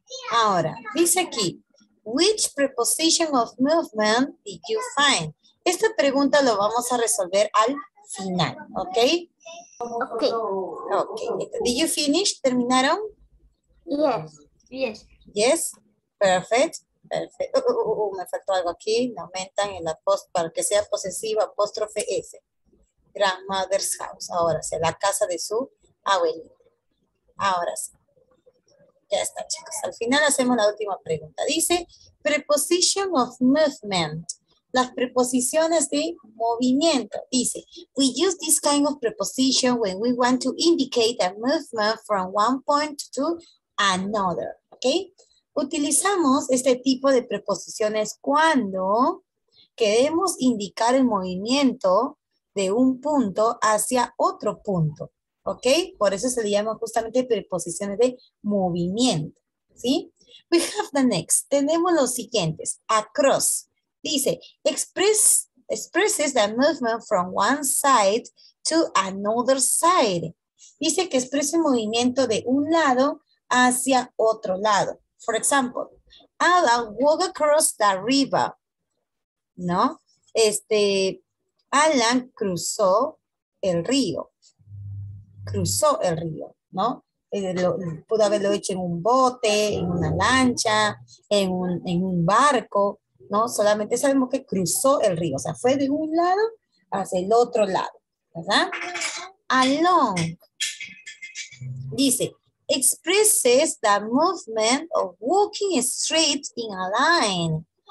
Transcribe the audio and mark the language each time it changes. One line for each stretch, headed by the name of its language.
Spanish: Ahora, dice aquí,
English: which preposition of movement did you find?
Spanish: Esta pregunta lo vamos a resolver al final, ¿ok?
English: Ok. Okay. Did you finish?
Spanish: ¿Terminaron?
English: Yes. Perfect.
Spanish: Me faltó algo aquí. No aumentan en la post para que sea posesiva, apóstrofe S.
English: Grandmother's house.
Spanish: Ahora sí, la casa de su abuelita. Ahora sí. Ya está, chicos. Al final hacemos la última pregunta. Dice,
English: preposition of movement.
Spanish: Las preposiciones de movimiento.
English: Dice, we use this kind of preposition when we want to indicate a movement from one point to another.
Spanish: ¿Ok? Utilizamos este tipo de preposiciones cuando queremos indicar el movimiento de un punto hacia otro punto. ¿Ok? Por eso se le llama justamente preposiciones de movimiento. ¿Sí?
English: We have the next.
Spanish: Tenemos los siguientes.
English: Across. Dice, expresses the movement from one side to another side.
Spanish: Dice que expresa el movimiento de un lado hacia otro lado.
English: For example, Ada walk across the river.
Spanish: ¿No? Alan cruzó el río. Cruzó el río, ¿no? Pudo haberlo hecho en un bote, en una lancha, en un barco, ¿no? Solamente sabemos que cruzó el río, o sea, fue de un lado hacia el otro lado, ¿verdad? Along. Dice,
English: expresses the movement of walking straight in a line.